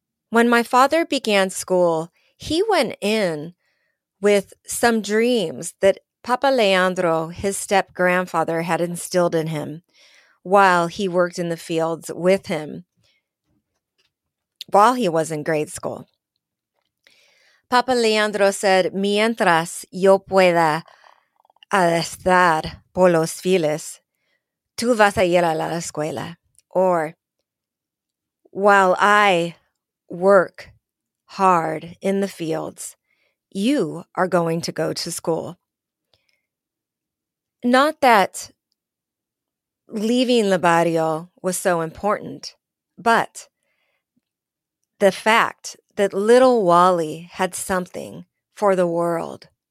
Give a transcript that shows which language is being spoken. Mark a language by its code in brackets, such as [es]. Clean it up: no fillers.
[en] When my father began school, he went in with some dreams that Papa Leandro, his step-grandfather, had instilled in him while he worked in the fields with him while he was in grade school. Papa Leandro said, [es] mientras yo pueda estar por los files, tú vas a ir a la escuela. [en] Or, while I work hard in the fields, you are going to go to school. Not that leaving the barrio was so important, but the fact that little Wally had something for the world.